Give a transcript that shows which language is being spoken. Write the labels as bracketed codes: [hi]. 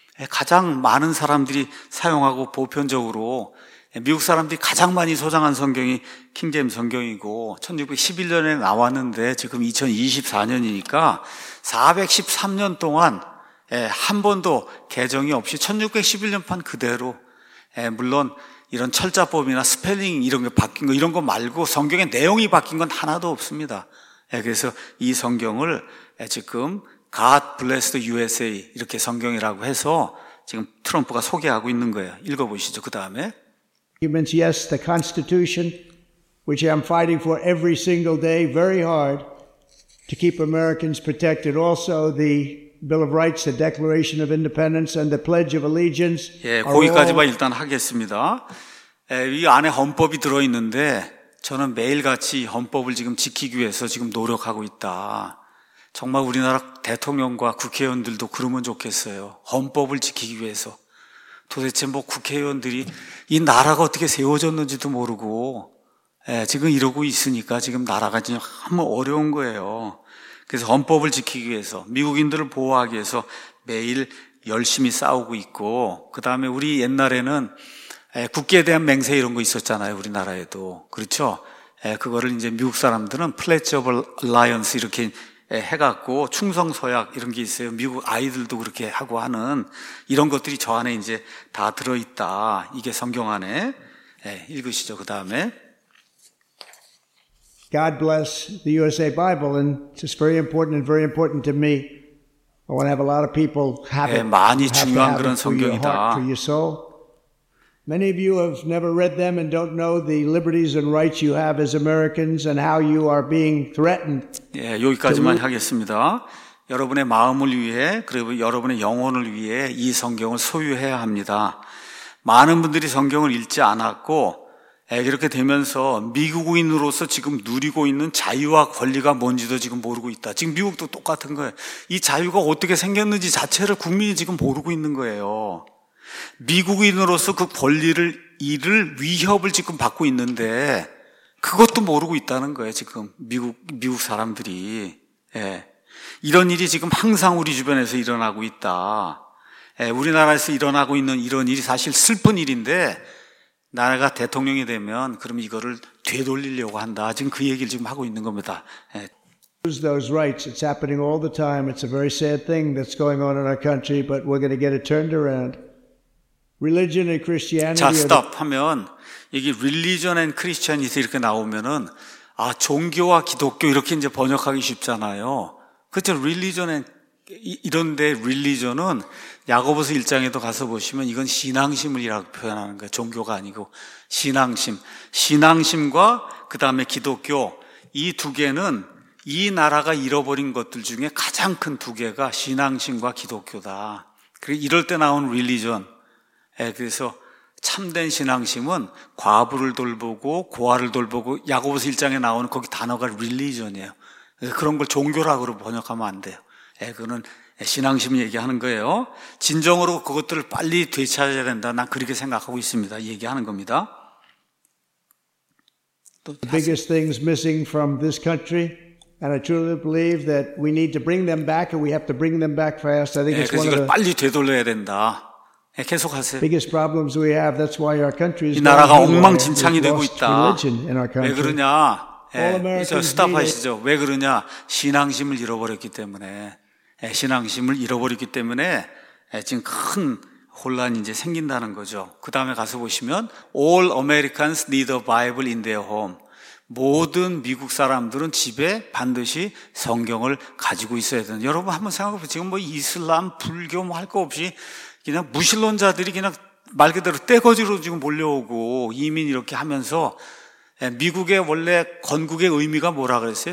[ko] 가장 많은 사람들이 사용하고 보편적으로 미국 사람들이 가장 많이 소장한 성경이 킹제임 성경이고, 1611년에 나왔는데 지금 2024년이니까 413년 동안 한 번도 개정이 없이 1611년판 그대로, 물론 이런 철자법이나 스펠링 이런 게 바뀐 거 이런 거 말고 성경의 내용이 바뀐 건 하나도 없습니다. 그래서 이 성경을 지금 God bless the USA 이렇게 성경이라고 해서 지금 트럼프가 소개하고 있는 거예요. 읽어보시죠. 그 다음에 [en] Humans, yes, the Constitution, which I'm fighting for every single day very hard to keep Americans protected. Also the Bill of Rights, the Declaration of Independence, and the Pledge of Allegiance. [ko] 예, 거기까지만 일단 하겠습니다. 예, 이 안에 헌법이 들어 있는데 저는 매일같이 헌법을 지금 지키기 위해서 지금 노력하고 있다. 정말 우리나라 대통령과 국회의원들도 그러면 좋겠어요. 헌법을 지키기 위해서. 도대체 뭐 국회의원들이 이 나라가 어떻게 세워졌는지도 모르고 예, 지금 이러고 있으니까 지금 나라가 지금 어려운 거예요. 그래서 헌법을 지키기 위해서 미국인들을 보호하기 위해서 매일 열심히 싸우고 있고 그다음에 우리 옛날에는 국기에 대한 맹세 이런 거 있었잖아요. 우리나라에도. 그렇죠? 그거를 이제 미국 사람들은 Pledge of Alliance 이렇게 해갖고 충성서약 이런 게 있어요. 미국 아이들도 그렇게 하고 하는 이런 것들이 저 안에 이제 다 들어있다. 이게 성경 안에 읽으시죠. 그 다음에 [en] God bless the USA Bible and it's very important and very important to me. I want to have a lot of people have it. [ko] 많이 중요한 그런 성경이다. [en] Many of you have never read them and don't know the liberties and rights you have as Americans and how you are being threatened. [ko] 예, 여기까지만 하겠습니다. 여러분의 마음을 위해 그리고 여러분의 영혼을 위해 이 성경을 소유해야 합니다. 많은 분들이 성경을 읽지 않았고 이렇게 되면서 미국인으로서 지금 누리고 있는 자유와 권리가 뭔지도 지금 모르고 있다. 지금 미국도 똑같은 거예요. 이 자유가 어떻게 생겼는지 자체를 국민이 지금 모르고 있는 거예요. 미국인으로서 그 권리를 잃을 위협을 지금 받고 있는데 그것도 모르고 있다는 거예요. 지금 미국 사람들이 예. 이런 일이 지금 항상 우리 주변에서 일어나고 있다. 예. 우리나라에서 일어나고 있는 이런 일이 사실 슬픈 일인데 나라가 대통령이 되면 그럼 이거를 되돌리려고 한다. 지금 그 얘기를 지금 하고 있는 겁니다. 예. [en] Those rights. It's happening all the time. It's a very sad thing that's going on in our country, but we're going to get it turned around. Religion and Christianity. [ko] 자, stop 하면 이게 [en] religion and Christianity [ko] 이렇게 나오면은 아 종교와 기독교 이렇게 이제 번역하기 쉽잖아요. 그렇죠? Religion and 이런데 religion은 야고보서 1장에도 가서 보시면 이건 신앙심을이라고 표현하는 거예요. 종교가 아니고 신앙심. 신앙심과 그 다음에 기독교 이 두 개는 이 나라가 잃어버린 것들 중에 가장 큰 두 개가 신앙심과 기독교다. 그리고 이럴 때 나온 religion. 예, 그래서 참된 신앙심은 과부를 돌보고 고아를 돌보고 야고보서 1장에 나오는 거기 단어가 religion이에요. 그런 걸 종교라고 번역하면 안 돼요. 예, 그거는 신앙심 얘기하는 거예요. 진정으로 그것들을 빨리 되찾아야 된다. 난 그렇게 생각하고 있습니다. 얘기하는 겁니다. [en] The biggest things missing from this country. And I truly believe that we need to bring them back and we have to bring them back fast. I think it's one of the [ko] 빨리 되돌려야 된다. 예, 계속하세요. [en] Biggest problems we have, that's why our country is [ko] 이 나라가 엉망진창이 되고 있다. 왜 그러냐? 예, 스탑하시죠. 왜 그러냐? 신앙심을 잃어버렸기 때문에. 예, 신앙심을 잃어버렸기 때문에 지금 큰 혼란이 이제 생긴다는 거죠. 그 다음에 가서 보시면 [en] All Americans need a Bible in their home. [ko] 모든 미국 사람들은 집에 반드시 성경을 가지고 있어야 되는. 여러분 한번 생각해 보세요. 지금 뭐 이슬람, 불교 뭐 할 거 없이 그냥 무신론자들이 그냥 말 그대로 떼거지로 지금 몰려오고 이민 이렇게 하면서 미국의 원래 건국의 의미가 뭐라 그랬어요?